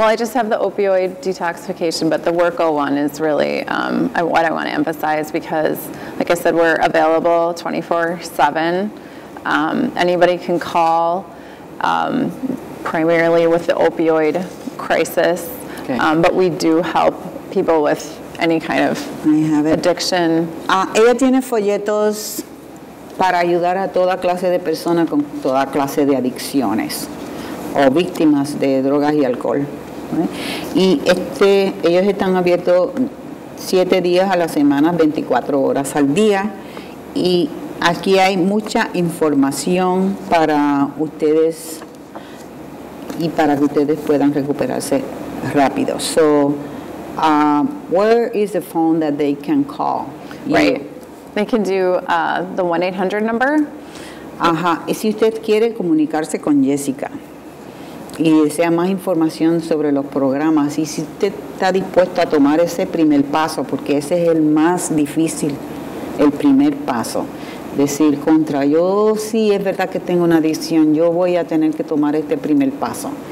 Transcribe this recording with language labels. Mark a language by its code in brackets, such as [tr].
[en] I just have the opioid detoxification, but the Worko one is really what I want to emphasize because, like I said, we're available 24/7. Anybody can call, primarily with the opioid crisis, okay. But we do help people with any kind of addiction. [es] Ella tiene folletos para ayudar a toda clase de personas con toda clase de adicciones o víctimas de drogas y alcohol. ¿Eh? Y ellos están abiertos 7 días a la semana, 24 horas al día. Y aquí hay mucha información para ustedes y para que ustedes puedan recuperarse rápido. [en] So, where is the phone that they can call? Right. They can do the 1-800 number. Ajá. [es] Y si usted quiere comunicarse con Jessica y desea más información sobre los programas, y si usted está dispuesto a tomar ese primer paso, porque ese es el más difícil, el primer paso. Decir, contra, yo sí es verdad que tengo una adicción, yo voy a tener que tomar este primer paso.